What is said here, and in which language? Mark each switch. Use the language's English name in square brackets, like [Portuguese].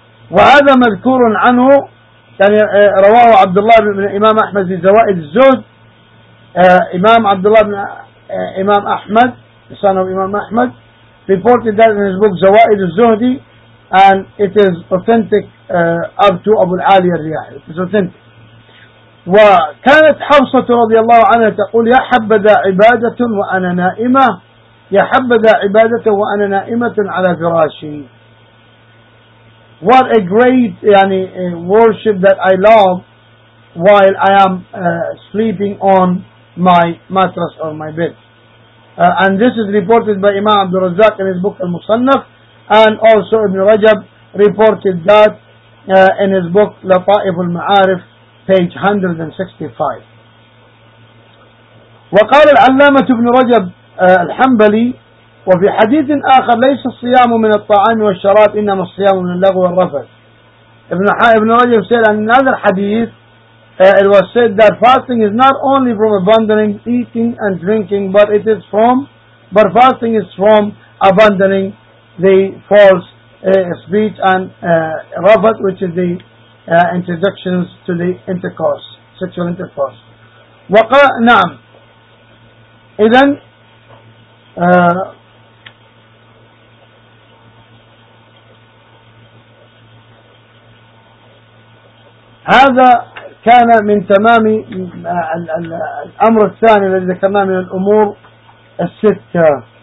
[Arabic] وهذا مذكور عنه يعني رواه عبد الله بن إمام أحمد في زوائد الزهد. إمام عبد الله بن إمام أحمد, [English] son of [Arabic] إمام أحمد, [English] reported that in his book Zawa'id al-Zuhdi, and it is authentic up to Abu al-Ali al-Riyahi. It is authentic. [Arabic] وكانت حفصة رضي الله عنها تقول يا حبذا عبادة وأنا نائمة يا حبذا عبادة وأنا نائمة على فراشي. [English] What a great يعني, worship that I love while I am sleeping on my mattress or my bed. And this is reported by Imam Abdul Razzaq in his book Al-Musannaf, and also Ibn Rajab reported that in his book Lata'if al-Ma'arif, page 165. [Arabic] وقال العلامة ابن رجب الحنبلي وفي حديث آخر ليس الصيام من الطعام والشراب إنما الصيام من اللغو والرفث. [English] ابن رجب said in another hadith, it was said that fasting is not only from abandoning eating and drinking, but it is from, but fasting is from abandoning the false speech and rafat, which is the introductions to the intercourse, sexual intercourse. [Arabic] وقال نعم. إذن هذا كان من تمام الأمر الثاني الذي ذكرناه من الأمور الستة.